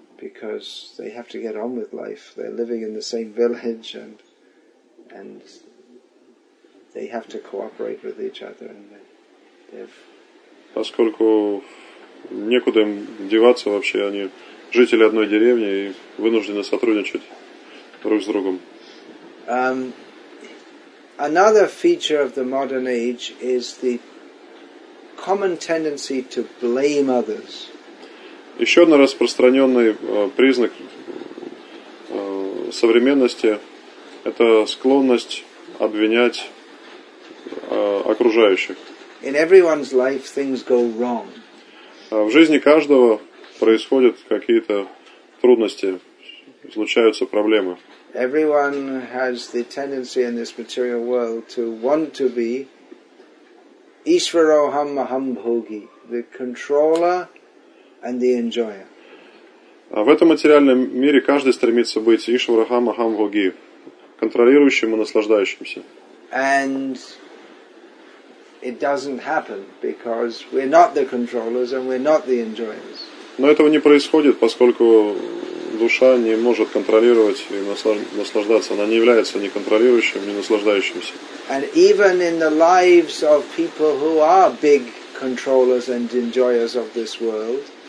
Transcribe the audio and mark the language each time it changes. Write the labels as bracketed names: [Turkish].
[English] Because they have to get on with life. They're living in the same village and they have to cooperate with each other. [Russian] Поскольку некуда им деваться вообще, они жители одной деревни и вынуждены сотрудничать друг с другом. [English] Another feature of the modern age is the common tendency to blame others. [Russian] Еще один распространенный признак современности – это склонность обвинять окружающих. [English] In everyone's life, things go wrong. [Russian] В жизни каждого происходят какие-то трудности, случаются проблемы. [English] Everyone has the tendency in this material world to want to be Ishvaroham Mahambhogi, the controller and the enjoyer. [Russian] А в этом материальном мире каждый стремится быть Ишвараха Махамбхоги, контролирующим и наслаждающимся. [English] And it doesn't happen because we're not the controllers and we're not the enjoyers. [Russian] Но этого не происходит, поскольку душа не может контролировать и наслаждаться. Она не является ни контролирующим, ни наслаждающимся. [English] And even in the lives of people who are big controllers and enjoyers of this world,